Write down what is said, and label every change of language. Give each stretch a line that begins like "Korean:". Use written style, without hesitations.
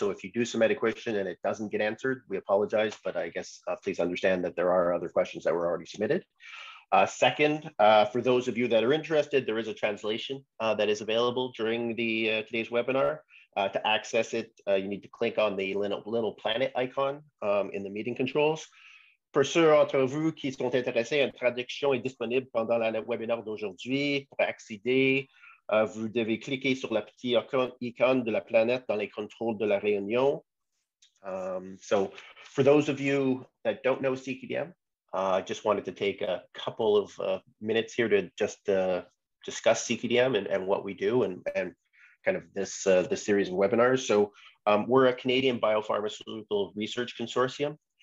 English: So if you do submit a question and it doesn't get answered, we apologize, but I guess please understand that there are other questions that were already submitted. Second, for those of you that are interested, there is a translation that is available during the today's webinar. To access it, you need to click on the little planet icon in the meeting controls.
French: Pour ceux entre vous qui sont intéressés, une traduction est disponible pendant le webinar d'aujourd'hui. Pour accéder, vous devez cliquer sur la petite icône de la planète dans les contrôles de la réunion.
English: So for those of you that don't know CQDM, I just wanted to take a couple of minutes here to just discuss CQDM and what we do and kind of this series of webinars. So we're a Canadian biopharmaceutical research consortium.